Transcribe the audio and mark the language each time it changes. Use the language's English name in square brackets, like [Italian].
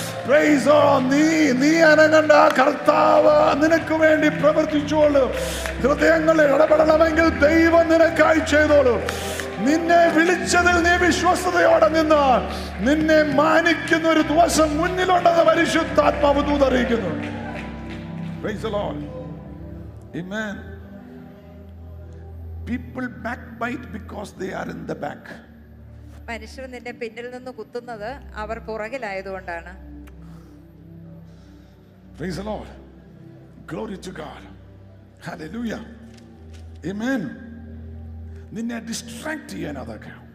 [Malayalam] Price നീ അനങ്ങണ്ട, കർത്താവ് നിനക്ക് വേണ്ടി പ്രവർത്തിച്ചോളൂ. ഹൃദയങ്ങളിൽ ഇടപെടണമെങ്കിൽ ദൈവം നിനക്കായി ചെയ്തോളൂ. നിന്നെ വിളിച്ചതിൽ നീ വിശ്വസ്തയോടെ നിന്ന് നിന്നെ മാനിക്കുന്ന ഒരു ദിവസം മുന്നിലുണ്ടെന്ന് പരിശുദ്ധാത്മാവ് ദൂതറിയിക്കുന്നു. [English] Praise the Lord. Amen. People backbite because they are in the back. [Malayalam] മനുഷ്യർ നിന്റെ പിന്നിൽ നിന്ന് കുത്തുന്നത് അവർ പുറകിലായതുകൊണ്ടാണ്. [English] Praise the Lord. Glory to God. Hallelujah. Amen. [Malayalam] നിന്നെ ഡിസ്ട്രാക്ട് ചെയ്യാൻ അതൊക്കെ.